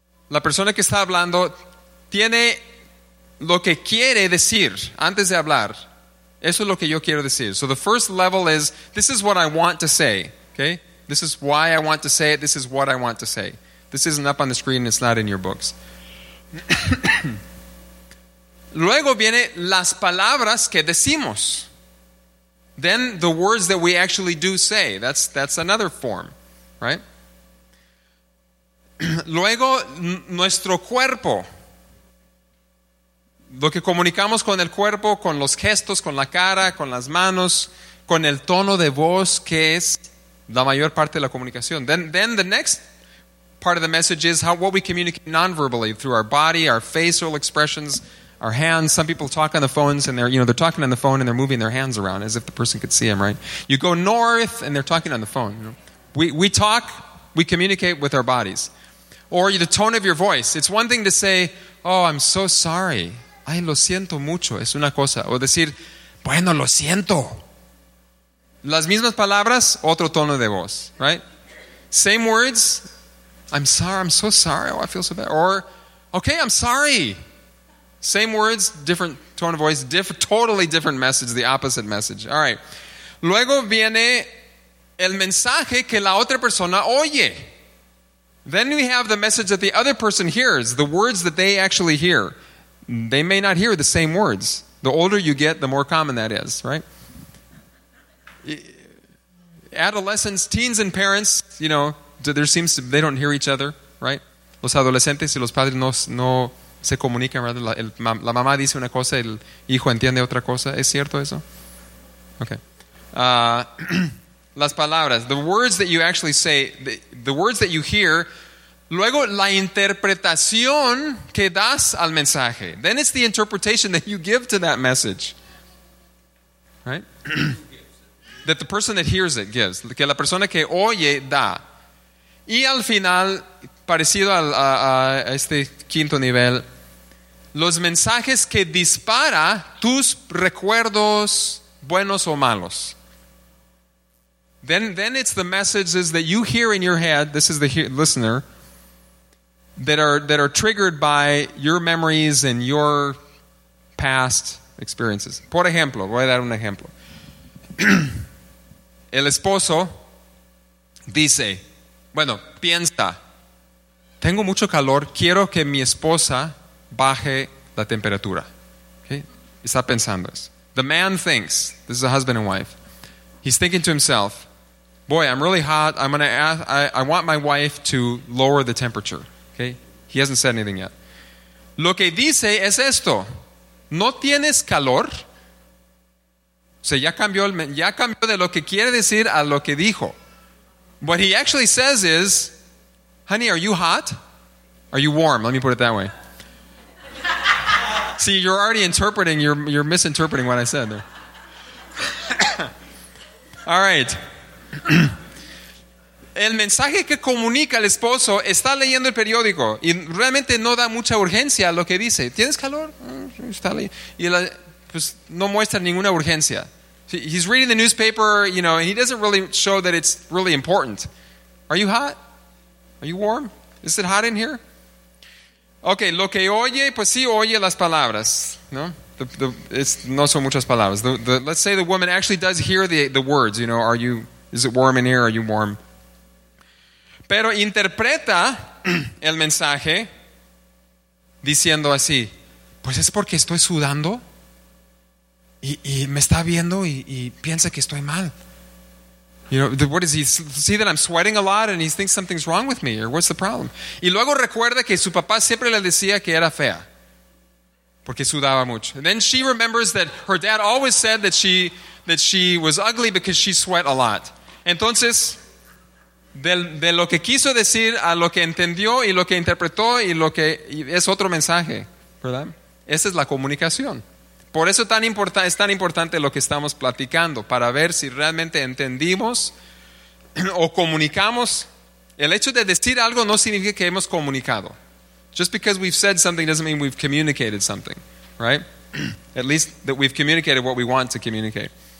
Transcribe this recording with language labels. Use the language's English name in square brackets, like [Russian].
[Spanish] La persona que está hablando tiene lo que quiere decir antes de hablar. Eso es lo que yo quiero decir. [English] So the first level is, this is what I want to say. Okay? This is why I want to say it. This is what I want to say. This isn't up on the screen. It's not in your books. [Spanish] Luego viene las palabras que decimos. [English] Then the words that we actually do say. That's another form, right? [Spanish] Luego, nuestro cuerpo. Lo que comunicamos con el cuerpo, con los gestos, con la cara, con las manos, con el tono de voz, que es la mayor parte de la comunicación. [English] Then the next part of the message is how what we communicate non-verbally through our body, our facial expressions, our hands. Some people talk on the phones and they're talking on the phone and they're moving their hands around as if the person could see them, right? You go north and they're talking on the phone. You know? We talk, we communicate with our bodies. Or the tone of your voice. It's one thing to say, "Oh, I'm so sorry. [Spanish] Ay, lo siento mucho." Es una cosa. O decir, "Bueno, lo siento." Las mismas palabras, otro tono de voz, right? [English] Same words. "I'm sorry, I'm so sorry. Oh, I feel so bad." Or, "Okay, I'm sorry." Same words, different tone of voice, totally different message, the opposite message. All right. [Spanish] Luego viene el mensaje que la otra persona oye. [English] Then we have the message that the other person hears, the words that they actually hear. They may not hear the same words. The older you get, the more common that is, right? Adolescents, teens and parents, you know, they don't hear each other, right? [Spanish] Los adolescentes y los padres no se comunican, ¿verdad? La mamá dice una cosa, el hijo entiende otra cosa. ¿Es cierto eso? Okay. las palabras. [English] The words that you actually say, the words that you hear. [Spanish] Luego, la interpretación que das al mensaje. [English] Then it's the interpretation that you give to that message. Right? That the person that hears it gives. [Spanish] Que la persona que oye da. Y al final, parecido a este quinto nivel, los mensajes que dispara tus recuerdos buenos o malos. [English] Then it's the messages that you hear in your head, this is the listener, that are triggered by your memories and your past experiences. [Spanish] Por ejemplo, voy a dar un ejemplo. El esposo dice, bueno, piensa, tengo mucho calor, quiero que mi esposa baje la temperatura. Okay? Está pensando eso. [English] The man thinks, this is a husband and wife, he's thinking to himself, "Boy, I'm really hot, I'm going to ask, I want my wife to lower the temperature." Okay? He hasn't said anything yet. [Spanish] Lo que dice es esto, ¿no tienes calor? O sea, ya cambió de lo que quiere decir a lo que dijo. [English] What he actually says is, "Honey, are you hot? Are you warm?" Let me put it that way. See, you're already interpreting, you're misinterpreting what I said there. All right. [Spanish] El mensaje que comunica el esposo está leyendo el periódico y realmente no da mucha urgencia a lo que dice. ¿Tienes calor? Está leyendo. Y la, pues no muestra ninguna urgencia. [English] He's reading the newspaper, you know, and he doesn't really show that it's really important. Are you hot? Are you warm? Is it hot in here? [Spanish] Okay, lo que oye, pues sí oye las palabras, ¿no? It's no son muchas palabras. [English] Let's say the woman actually does hear the words, you know, are you, is it warm in here? Are you warm? [Spanish] Pero interpreta el mensaje diciendo así, pues es porque estoy sudando y me está viendo y piensa que estoy mal. [English] You know, what is he? See that I'm sweating a lot and he thinks something's wrong with me, or what's the problem? [Spanish] Y luego recuerda que su papá siempre le decía que era fea porque sudaba mucho. [English] And then she remembers that her dad always said that she was ugly because she sweat a lot. [Spanish] Entonces, de lo que quiso decir a lo que entendió y lo que interpretó y lo que y es otro mensaje, ¿verdad? Esa es la comunicación. Por eso es tan importante lo que estamos platicando, para ver si realmente entendimos o comunicamos. El hecho de decir algo no significa que hemos comunicado. [English] Just because we've said something doesn't mean we've communicated something, right? At least that we've communicated what we want to communicate.